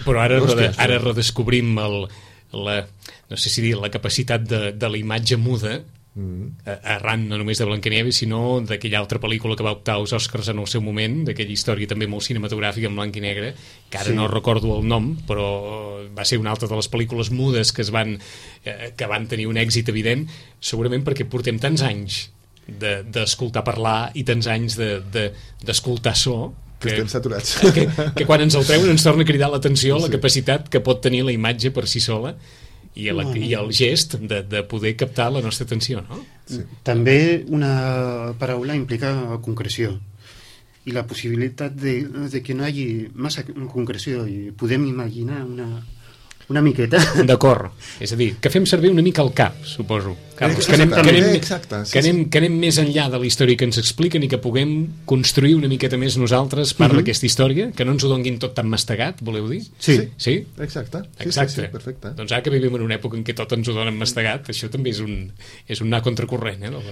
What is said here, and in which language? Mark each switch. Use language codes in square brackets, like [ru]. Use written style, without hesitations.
[ca] Però ara redescobrim no sé si dir, la capacitat de la imatge muda, arran no només de Blancanieves, sinó d'aquella altra pel·lícula que va optar als Oscars en el seu moment, d'aquella història també molt cinematogràfica en blanc i negre, que ara no recordo el nom, però va ser una altra de les pel·lícules mudes que van tenir un èxit evident, segurament perquè portem tants anys d'escoltar parlar i tants anys d'escoltar so que estem saturats, que quan ens el treuen ens torna a cridar l'atenció la capacitat que pot tenir la imatge per si sola i el gest de poder captar la nostra atenció, no? Sí. També una paraula implica concreció. [es] y la posibilidad de que no haya más concreción, y [ca] podem imaginar una miqueta. D'acord. És a dir, que fem servir una mica el cap, suposo. Que anem més enllà de la història que ens expliquen i que puguem construir una miqueta més nosaltres part uh-huh. d'aquesta història, que no ens ho donguin tot tan mastegat, voleu dir? Sí. Sí? Exacte. Exacte. Sí, perfecte. Doncs ara que vivim en una època en què tot ens ho donen mastegat, això també és un anar contracorrent, eh?